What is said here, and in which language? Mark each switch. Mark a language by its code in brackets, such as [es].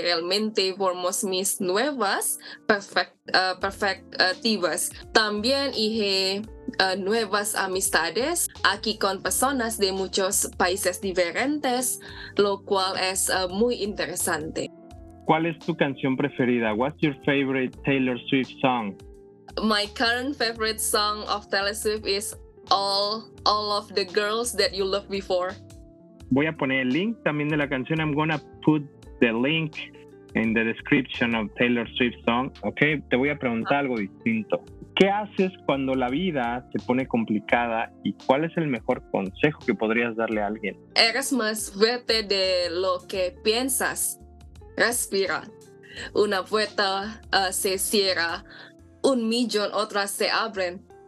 [es] Realmente formó mis nuevas perspectivas. También hice nuevas amistades aquí con personas de muchos países diferentes, lo cual es muy interesante. ¿Cuál es tu canción preferida? [en] What's your favorite Taylor Swift song? My current favorite song of Taylor Swift is All of the Girls That You Loved Before. [es] Voy a poner el link también de la canción. [en] I'm gonna put the link in the description of Taylor Swift song. [es] Okay, te voy a preguntar algo distinto. ¿Qué haces cuando la vida se pone complicada y cuál es el mejor consejo que podrías darle a alguien? Eres más fuerte de lo que piensas. Respira. Una puerta se cierra, 1,000,000 otras se abren.